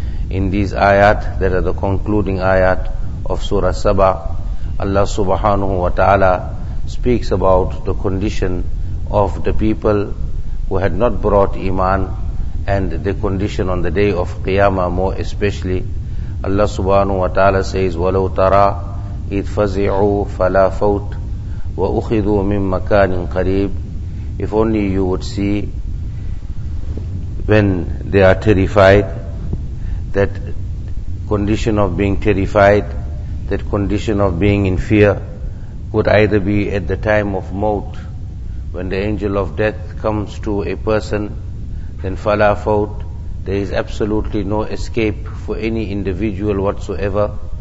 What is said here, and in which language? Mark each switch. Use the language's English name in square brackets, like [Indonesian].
[English] In these ayat that are the concluding ayat of Surah Saba, Allah subhanahu wa ta'ala speaks about the condition of the people who had not brought iman, and the condition on the day of Qiyamah more especially. Allah subhanahu wa ta'ala says, [Arabic] وَلَوْ تَرَى إِذْ فَزِعُوا فَلَا فَوْتْ وَأُخِذُوا مِن مَكَانٍ قَرِيبٍ. [English] If only you would see when they are terrified, that condition of being terrified, that condition of being in fear, could either be at the time of maut, when the angel of death comes to a person, then fala faut, there is absolutely no escape for any individual whatsoever.